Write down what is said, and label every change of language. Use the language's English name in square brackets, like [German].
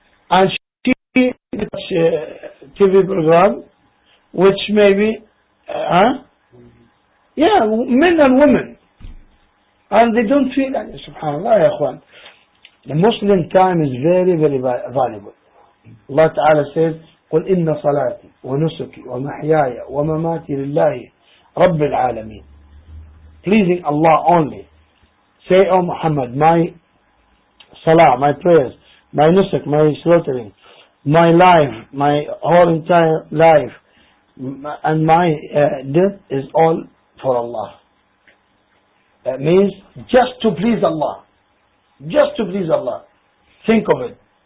[English] And she watches a TV program, which maybe, men and women. And they don't feel like, subhanAllah, ikhwan. The Muslim time is very, very valuable. [Arabic] Allah Ta'ala says, قُلْ إِنَّ صَلَاتِ وَنُسُكِ وَمَحْيَايَ وَمَمَاتِ لِلَّهِ رَبِّ الْعَالَمِينَ. [English] Pleasing Allah only. Say, O Muhammad, my salah, my prayers, my nusuk, my slaughtering, my life, my whole entire life, and my death is all for Allah. That means just to please Allah. Just to please Allah. Think of it.